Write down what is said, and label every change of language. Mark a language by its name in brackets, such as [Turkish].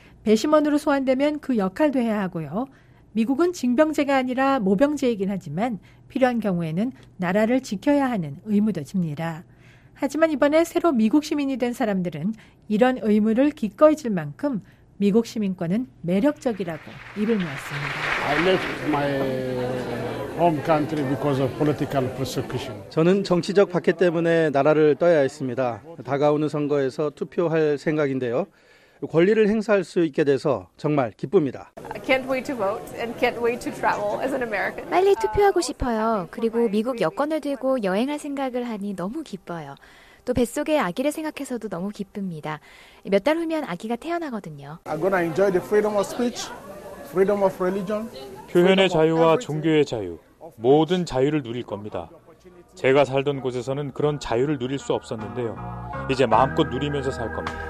[Korean] 배심원으로 소환되면 그 역할도 해야 하고요. 미국은 징병제가 아니라 모병제이긴 하지만 필요한 경우에는 나라를 지켜야 하는 의무도 집니다. 하지만 이번에 새로 미국 시민이 된 사람들은 이런 의무를 기꺼이 질 만큼 미국 시민권은 매력적이라고 입을 모았습니다. [English] I left my home country because of political persecution. [Korean] 저는 정치적 박해 때문에 나라를 떠야 했습니다. 다가오는 선거에서 투표할 생각인데요. 권리를 행사할 수 있게 돼서 정말 기쁩니다. [English] I can't wait to vote and can't wait to travel as an American. [Korean] 빨리 투표하고 싶어요. 그리고 미국 여권을 들고 여행할 생각을 하니 너무 기뻐요. 또 뱃속에 아기를 생각해서도 너무 기쁩니다. 몇 달 후면 아기가 태어나거든요. [English] I'm gonna enjoy the freedom of speech, freedom of religion. [Korean] 표현의 자유와 종교의 자유, 모든 자유를 누릴 겁니다. 제가 살던 곳에서는 그런 자유를 누릴 수 없었는데요. 이제 마음껏 누리면서 살 겁니다.